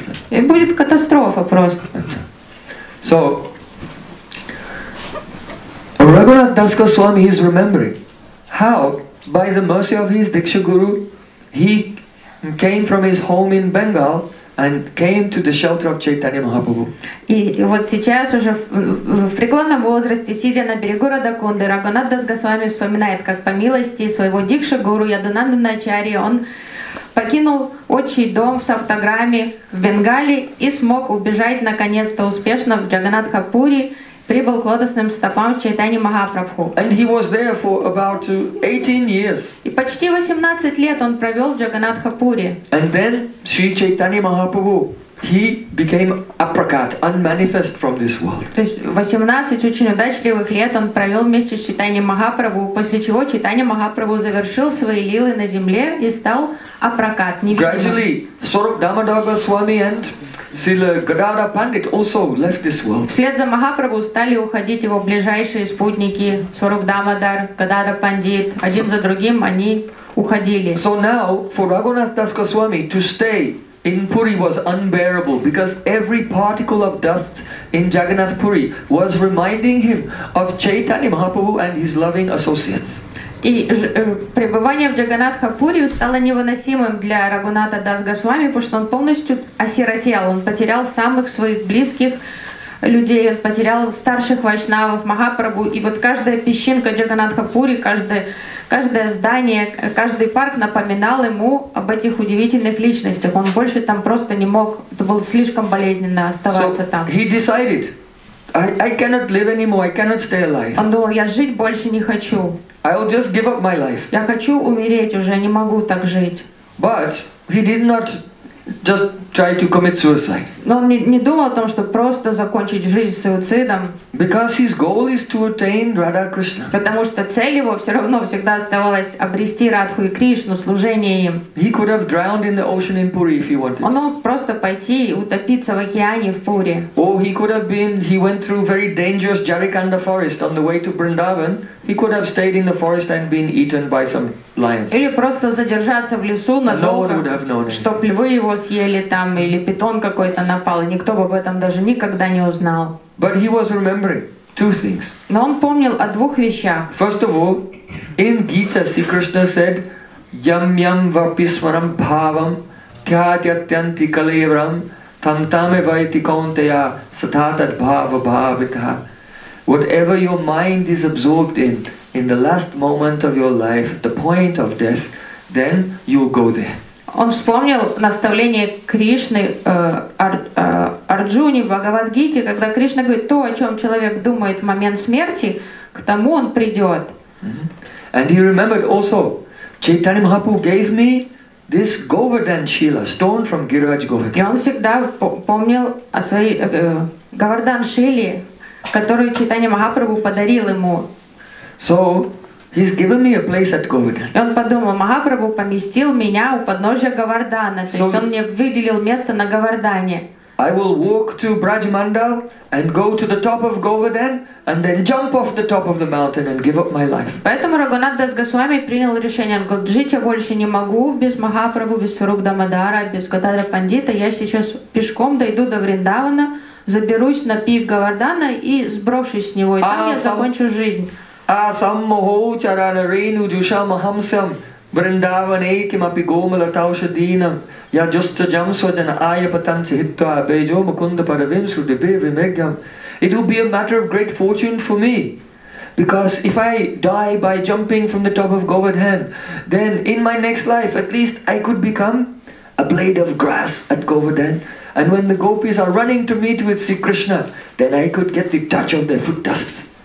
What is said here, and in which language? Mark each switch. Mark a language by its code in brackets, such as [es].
[ru] И будет катастрофа просто. [en] So, Raghunath Das Goswami is remembering how by the mercy of his Diksha Guru, he came from his home in Bengal and came to the shelter of Chaitanya Mahaprabhu. [ru] И вот сейчас уже в преклонном возрасте, сидя на берегу Радаконды, Рагхунат Дас Госвами вспоминает, как по милости своего Дикша Гуру Ядунандана Ачарьи он покинул отчий дом в Сафтаграме в Бенгале и смог убежать наконец-то успешно в Джаганнатхапури. Прибыл к лотосным стопам Чайтани Махапрабху. [en] And he was there for about 18 years. [ru] И почти 18 лет он провел в Джаганнатхапури. [en] And then Sri Chaitanya Mahaprabhu, he became apricot, unmanifest from this world. [ru] То есть 18 очень удачливых лет он провел вместе с Чайтани Махапрабху, после чего Чайтани Махапрабху завершил свои лилы на земле и стал апракат, невидимым. [en] Gradually, Swarup Damodar Goswami and Srila Gadadhara Pandit also left this world. [ru] Вслед за Махапрабху стали уходить его ближайшие спутники, Swarup Damodar, Gadadhara Pandit. Один за другим они уходили. [en] So now, for Raghunath Das Goswami to stay in Puri was unbearable because every particle of dust in Jagannath Puri was reminding him of Chaitanya Mahaprabhu and his loving associates. [ru] И пребывание в Джаганнатхапури стало невыносимым для Рагхунатха Дас Госвами, потому что он полностью осиротел. Он потерял самых своих близких людей, он потерял старших вайшнавов, Махапрабху. И вот каждая песчинка Джаганнатхапури, каждое здание, каждый парк напоминал ему об этих удивительных личностях. Он больше там просто не мог, это было слишком болезненно оставаться там. [en] So he decided, I cannot live anymore, I cannot stay alive. [ru] Он думал, я жить больше не хочу. [en] I'll just give up my life. [ru] Я хочу умереть уже, не могу так жить. [en] But he did not just try to commit suicide. [ru] Но он не думал о том, что просто закончить жизнь суицидом. [en] Because his goal is to attain Radha Krishna. [ru] Потому что цель его все равно всегда оставалась обрести Радху и Кришну, служение им. [en] He could have drowned in the ocean in Puri if he wanted. [ru] Он мог просто пойти утопиться в океане в Пури. [en] Or he could have been. He went through very dangerous Jarikanda forest on the way to Vrindavan. He could have stayed in the forest and been eaten by some lions. [ru] Или просто задержаться в лесу надолго, чтоб львы его съели там, или питон какой-то напал. Никто бы об этом даже никогда не узнал. [en] But he was remembering two things. [ru] Но он помнил о двух вещах. [en] First of all, in Gita, Sri Krishna said, [sa] "Yam yam vapi swaram bhavam, tyatyatyanti kalevram, tam tame vaiti kaunteya satatad bhava bhavitha." [en] Whatever your mind is absorbed in the last moment of your life, the point of death, then you will go there. [ru] Он вспомнил наставление Кришны Арджуне в Бхагавад-гите, когда Кришна говорит, то, о чем человек думает в момент смерти, к тому он придет. [en] And he remembered also, Chaitanya Mahaprabhu gave me this Govardhan Shila, stone from Giriraj Govardhan. [ru] И он всегда помнил о своей Govardhan Shili, которую Чайтанья Махапрабху подарил ему. [en] So, he's given me a place at Govardhan. [ru] И он подумал, Махапрабху поместил меня у подножия Говардана, то есть он мне выделил место на Говардане. [en] I will walk to Brajmandal and go to the top of Govardhan and then jump off the top of the mountain and give up my life. [ru] Поэтому Рагунат Дас Госвами принял решение, он говорит, жить я больше не могу без Махапрабху, без Сваруп Дамодара, без Гададра Пандита. Я сейчас пешком дойду до Вриндавана, заберусь на пик Говардана и сброшусь с него, и там я закончу жизнь. [sa] Асаммахо чарана рену джуша махамсам Вриндаване кимапи гомалатаушадинам. Я джуста джамсваджана айапатамца хитва бейджо макунда паравим срудебе вимегьям. [en] It will be a matter of great fortune for me. Because if I die by jumping from the top of Govardhan, then in my next life at least I could become a blade of grass at Govardhan. And when the gopis are running to meet with Sri Krishna, then I could get the touch of their foot dust.